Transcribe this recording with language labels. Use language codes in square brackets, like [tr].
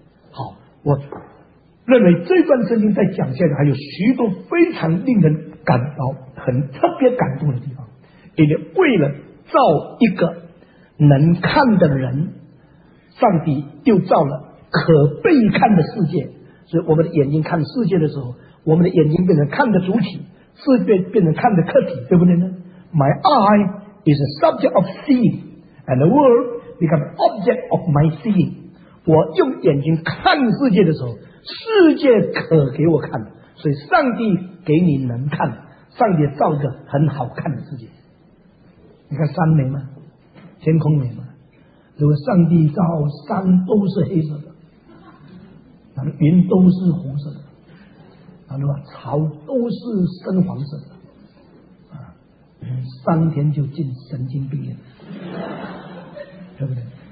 [zh] 好，我认为这段圣经在讲下来还有许多非常令人感到很特别感动的地方，因为为了造一个能看的人，上帝又造了可被看的世界，所以我们的眼睛看世界的时候，我们的眼睛变成看的主体，世界变成看的客体，对不对呢？ [en] My eye is a subject of seeing and the world becomes object of my seeing。 [zh] 我用眼睛看世界的时候，世界可给我看，所以上帝给你能看，上帝造一个很好看的世界。你看山美吗？天空美吗？如果上帝造山都是黑色的，那么云都是红色的，那么草都是深黄色的，三天就进神经病院，对不对？